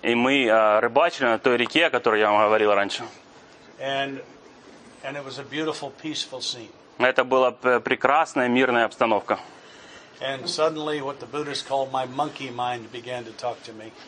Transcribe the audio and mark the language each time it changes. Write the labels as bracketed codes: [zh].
[ru] И мы рыбачили на той реке, о которой я вам говорил раньше. [en] And it was a beautiful, peaceful scene. [ru] Это была прекрасная, мирная обстановка. [en] And suddenly, what the Buddhists call my monkey mind began to talk to me.